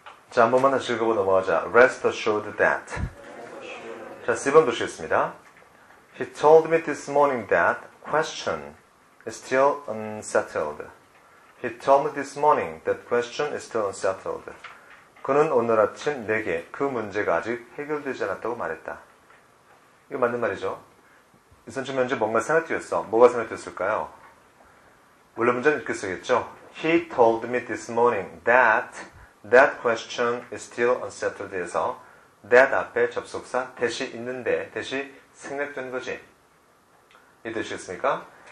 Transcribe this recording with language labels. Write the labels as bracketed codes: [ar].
[ko] 자, 한 번만 다시 읽어보고 넘어가자. [en] Rest assured that. [ko] 자, 4번 보시겠습니다. [en] He told me this morning that question is still unsettled. He told me this morning that question is still unsettled. [ko] 그는 오늘 아침 내게 그 문제가 아직 해결되지 않았다고 말했다. 이거 맞는 말이죠. 우선 좀 현재 뭔가 생각이 되었어. 뭐가 생각이 되었을까요? 원래 문제는 이렇게 쓰겠죠. [en] He told me this morning that That question is still unsettled [ko] 해서 that 앞에 접속사 대시 있는데 대시 생략된 거지. 이해되시겠습니까?